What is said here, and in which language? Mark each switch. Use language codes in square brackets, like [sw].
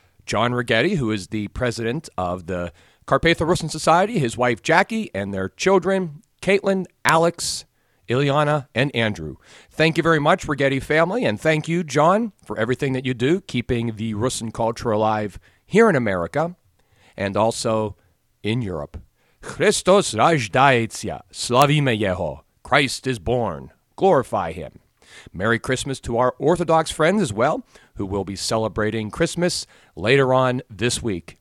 [en] John Righetti, who is the president of the Carpatho-Russian Society, his wife Jackie, and their children, Caitlin, Alex, Ileana, and Andrew. Thank you very much, Righetti family, and thank you, John, for everything that you do, keeping the Russian culture alive here in America and also in Europe. [uk] Христос рождається, славімо Його. [en] Christ is born, glorify Him. Merry Christmas to our Orthodox friends as well, who will be celebrating Christmas later on this week.